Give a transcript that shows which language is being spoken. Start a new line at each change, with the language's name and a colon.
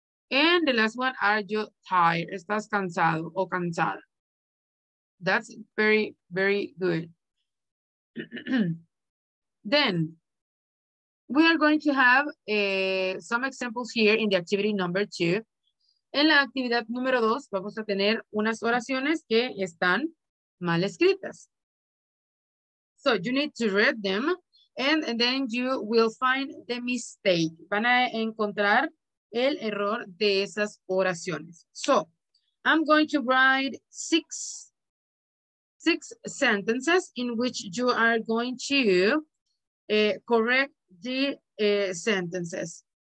English: And the last one, are you tired?
Spanish: ¿Estás cansado o cansada?
English: That's very, very good. Then, we are going to have some examples here in the activity number two.
Spanish: En la actividad número dos, vamos a tener unas oraciones que están mal escritas.
English: So, you need to read them, and then you will find the mistake.
Spanish: Van a encontrar el error de esas oraciones.
English: So, I'm going to write six sentences in which you are going to correct the sentences.